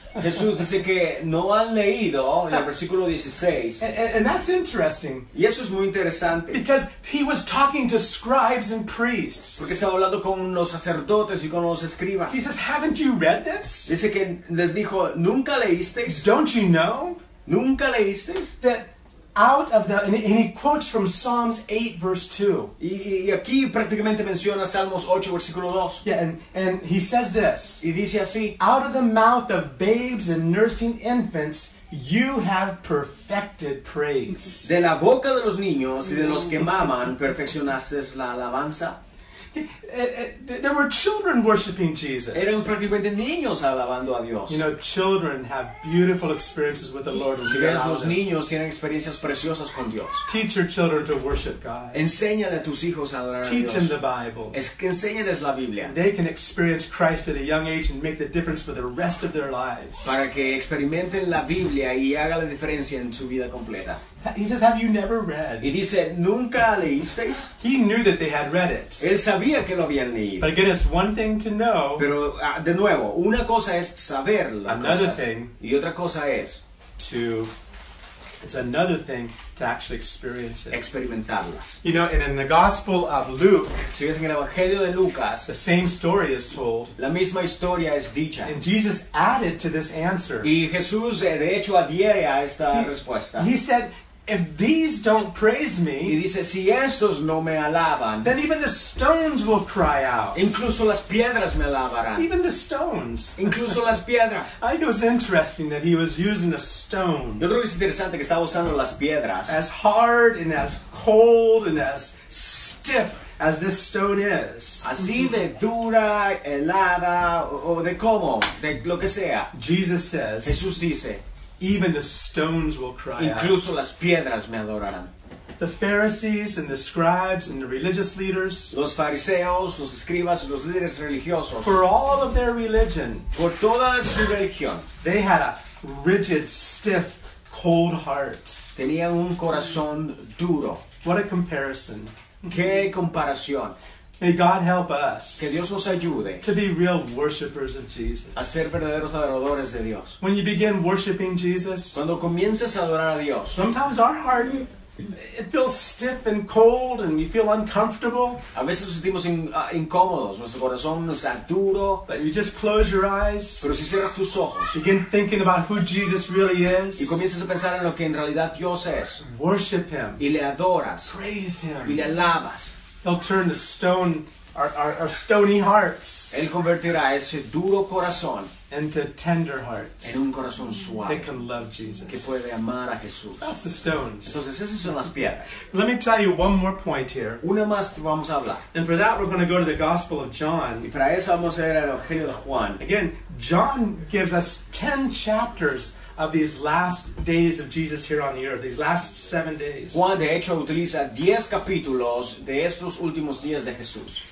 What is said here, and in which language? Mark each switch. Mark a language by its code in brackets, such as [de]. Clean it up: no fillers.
[es] Jesús dice que no han leído en el versículo 16. [en] And that's interesting. [es] Y eso es muy interesante. [en] Because he was talking to scribes and priests. [es] Porque estaba hablando con los sacerdotes y con los escribas. [en] He says, haven't you read this? [es] Dice que les dijo, ¿nunca leísteis? [en] Don't you know? [es] ¿Nunca leísteis? [en] That out of the, and he quotes from Psalms 8, verse 2. [es] Y aquí prácticamente menciona Salmos 8, versículo 2. [en] Yeah, and he says this. [es] Y dice así. [en] Out of the mouth of babes and nursing infants, you have perfected praise. [es] De la boca de los niños y de los que maman, perfeccionaste la alabanza. [en] There were children worshiping Jesus. [es] Eran prácticamente niños alabando a Dios. [en] You know, children have beautiful experiences with the Lord. [es] Si ves, los niños tienen experiencias preciosas con Dios. [en] Teach your children to worship God. [es] Enséñale a tus hijos a adorar a Dios. [en] Teach them the Bible. [es] Enséñales la Biblia. [en] They can experience Christ at a young age and make the difference for the rest of their lives. [es] Para que experimenten la Biblia y haga la diferencia en su vida completa. [en] He says, have you never read? [es] Y dice, ¿nunca leísteis? [en] He knew that they had read it. [es] Él sabía que lo habían leído. [en] But again, it's one thing to know. [es] Pero, de nuevo, una cosa es saber las [en] Another [es] cosas. [en] Thing [es] y otra cosa es [en] to It's another thing to actually experience it. [es] Experimentarlas. [en] You know, and in the Gospel of Luke, [es] si ves en el Evangelio de Lucas, [en] the same story is told. [es] La misma historia es dicha. [en] And Jesus added to this answer. [es] Y Jesús, de hecho, adhiere a esta respuesta. [en] He said, if these don't praise me, [es] y dice, si estos no me alaban, [en] then even the stones will cry out. [es] Incluso las piedras me alabarán. [en] Even the stones. [es] Incluso las piedras. [en] I think it was interesting that he was using a stone. [es] Yo creo que es interesante que estaba usando las piedras. [en] As hard and as cold and as stiff as this stone is. [es] Así de dura, helada, o de cómo, de lo que sea. [en] Jesus says, [es] Jesús dice, [en] even the stones will cry [es] incluso [en] out. [es] Las piedras me adorarán. [en] The Pharisees and the scribes and the religious leaders, [es] los fariseos, los escribas, los líderes religiosos, [en] for all of their religion, [es] por toda su religión, [en] they had a rigid, stiff, cold heart. [es] Tenían un corazón duro. [en] What a comparison. [es] Qué comparación. [en] May God help us, [es] que Dios nos ayude, [en] to be real worshipers of Jesus. [es] A ser verdaderos adoradores de Dios. [en] When you begin worshiping Jesus, [es] cuando comiences a adorar a Dios, [en] sometimes our heart, it feels stiff and cold and you feel uncomfortable. [es] A veces nos sentimos incómodos, nuestro corazón nos está duro. [en] But you just close your eyes, [es] pero si cierras tus ojos, [en] begin thinking about who Jesus really is, [es] y comienzas a pensar en lo que en realidad Dios es, [en] worship Him, [es] y le adoras, [en] praise Him, [es] y le alabas. [en] He'll turn the stone, our stony hearts. [es] Él convertirá ese duro corazón [en] into tender hearts. [es] En un corazón suave. [en] That can love Jesus. [es] Que puede amar a Jesús. [en] So that's the stones. [es] Entonces, esas son las piedras. [en] Let me tell you one more point here. [es] Una más vamos a hablar. [en] And for that, we're going to go to the Gospel of John. [es] Y para eso vamos a ir al Evangelio de Juan. [en] Again, John gives us 10 chapters of these last days of Jesus here on the earth, these last 7 days. [es] Juan, de hecho, utiliza 10 capítulos de estos últimos días de Jesús.